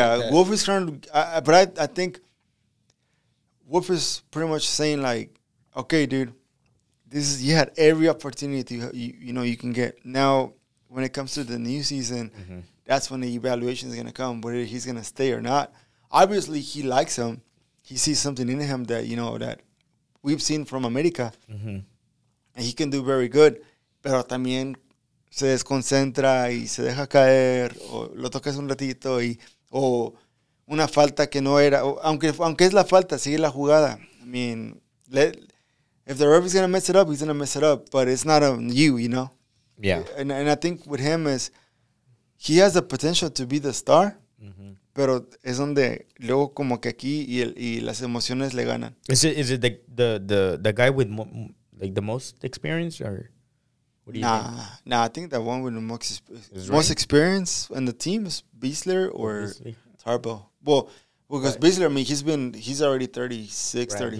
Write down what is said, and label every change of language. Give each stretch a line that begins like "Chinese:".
English: Wolf is trying to but I think Wolf is pretty much saying, like, okay, dude, this is, you had every opportunity you can get. Now when it comes to the new season, mm-hmm. that's when the evaluation is gonna come, whether he's gonna stay or not. Obviously he likes him. He sees something in him that we've seen from America. Mm-hmm. And he can do very good.
Spanish: Pero también se desconcentra y se deja caer. O lo tocas un ratito. O una falta que no era. Aunque es la falta, sigue la jugada.
English: I mean, if the ref is going to mess it up, he's going to mess it up. But it's not on you, you know? Yeah. And I think with him is, he has the potential to be the star.
Spanish: Pero es donde luego como que aquí y las emociones le ganan.
English: Is it the guy with the most experience, or what do you think? Nah, I think the one with the most experience in the team is Beasley or Tarbo. Because Beasley, I mean, he's already 36, right, 35.